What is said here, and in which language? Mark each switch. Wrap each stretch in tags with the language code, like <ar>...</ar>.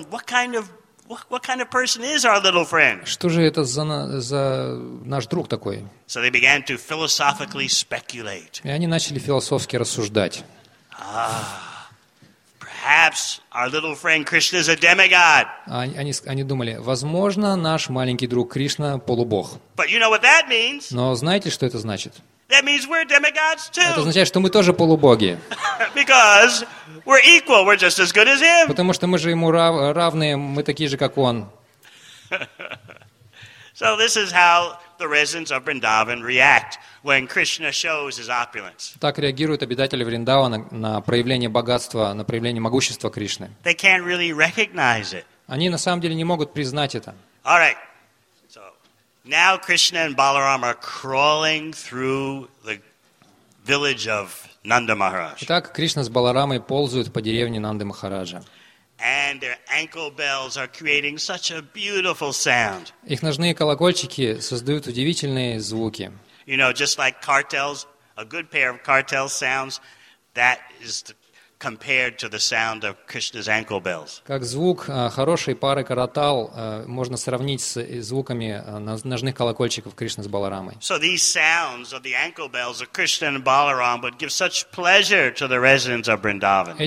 <en>What kind of person is our little friend?</en> <ru>Что же это за наш друг такой?</ru> <en>So they began to philosophically speculate.</en> <ru>И они начали философски рассуждать.</ru> <en>Perhaps our little friend Krishna is a demigod.</en> <ru>Они думали, возможно, наш маленький друг Кришна полубог.</ru> <en>But you know what that means?</en> <ru>Но знаете, что это значит?</ru> <en>That means we're demigods too.</en> <ru>Это означает, что мы тоже полубоги.</ru> <en>Because we're equal, we're just as good as him.</en> <ru>Потому что мы же ему равные, мы такие же, как он.</ru> <en>So this is how the residents of Vrindavan react when Krishna shows his opulence.</en> <ru>Так реагируют обитатели Вриндавана на проявление богатства, на проявление могущества Кришны.</ru> <en>They can't really recognize it.</en> <ru>Они на самом деле не могут признать это.</ru> <en>All right. So now Krishna and Balaram are crawling through the village of Nanda Maharaj.</en> <ru>Итак, Кришна с Баларамой ползают по деревне Нанды Махараджа.</ru> <en>And their ankle bells are creating such a beautiful sound.</en> <ru>Их ножные колокольчики создают удивительные звуки.</ru> <en>You know, just like cartels, a good pair of cartel sounds, that is compared to the sound of Krishna's ankle bells.</en> <ru>Как звук хорошей пары каратал можно сравнить с звуками ножных колокольчиков Кришны с Баларамой.</ru> <en>So these sounds of the ankle bells of Krishna and Balaram would give such pleasure to the residents of Vrindavan.</en>